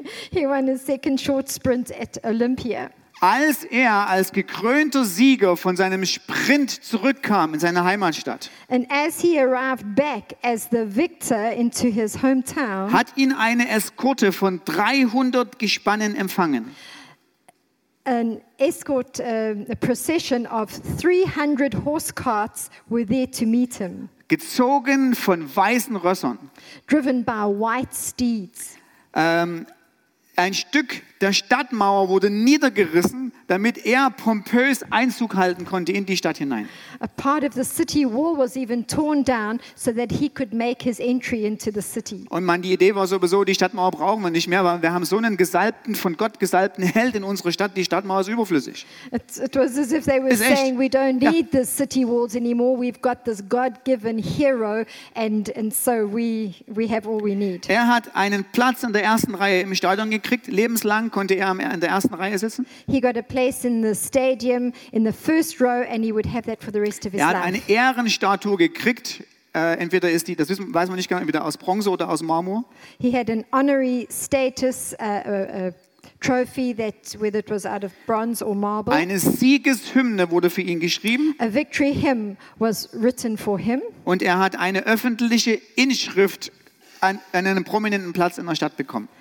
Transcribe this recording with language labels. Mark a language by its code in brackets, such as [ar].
[en] He won his second short sprint at Olympia. [de] Als er als gekrönter Sieger von seinem Sprint zurückkam in seine Heimatstadt, [en] and as he arrived back as the victor into his hometown, [de] hat ihn eine Eskorte von 300 Gespannen empfangen. [en] An escort, a procession of 300 horse carts were there to meet him. [de] Gezogen von weißen Rössern. [en] Driven by white steeds. [de] Ein Stück der Stadtmauer wurde niedergerissen, damit er pompös Einzug halten konnte in die Stadt hinein. [en] A part of the city wall was even torn down, so that he could make his entry into the city. [de] Und man, die Idee war sowieso, die Stadtmauer brauchen wir nicht mehr, weil wir haben so einen gesalbten, von Gott gesalbten Held in unserer Stadt, die Stadtmauer ist überflüssig. [en] It was as if they were saying, we don't need the city walls anymore, we've got this God-given hero and so we have all we need. [de] Er hat einen Platz in der ersten Reihe im Stadion gekriegt, lebenslang konnte er in der ersten Reihe sitzen. [en] He got a place in the stadium in the first row and he would have that for the rest of his life. [de] Er hat eine Ehrenstatue gekriegt, entweder ist die, das weiß man nicht genau, entweder aus Bronze oder aus Marmor. [en] He had an honorary status trophy that whether it was out of bronze or marble. [de] Eine Siegeshymne wurde für ihn geschrieben. [en] A victory hymn was written for him. [de] Und er hat eine öffentliche Inschrift an einem prominenten Platz in der Stadt bekommen.